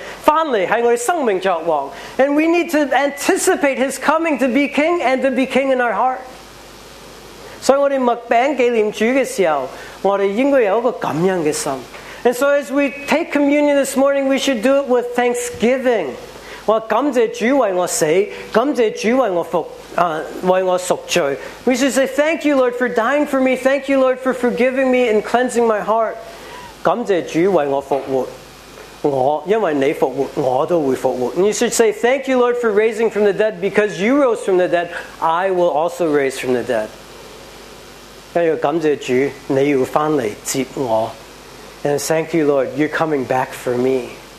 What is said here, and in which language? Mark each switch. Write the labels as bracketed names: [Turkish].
[Chinese] 我们要仰望祂永远作王的，回来是我们生命作王。 [English] And we need to anticipate His coming to be King and to be King in our heart. [Chinese] 所以我们默想纪念主的时候，我们应该有一个感恩的心。 [English] And so as we take communion this morning, we should do it with thanksgiving. [Chinese] 我感谢主为我死，感谢主为我赎罪。 [English] We should say, thank you, Lord, for dying for me. Thank you, Lord, for forgiving me and cleansing my heart. [Chinese] 感谢主为我复活，我因为你复活，我都会复活。 [English] And you should say, thank you, Lord, for raising from the dead. Because you rose from the dead, I will also raise from the dead. [Chinese] 感谢主，你要回来接我。 [English] And thank you, Lord, you're coming back for me.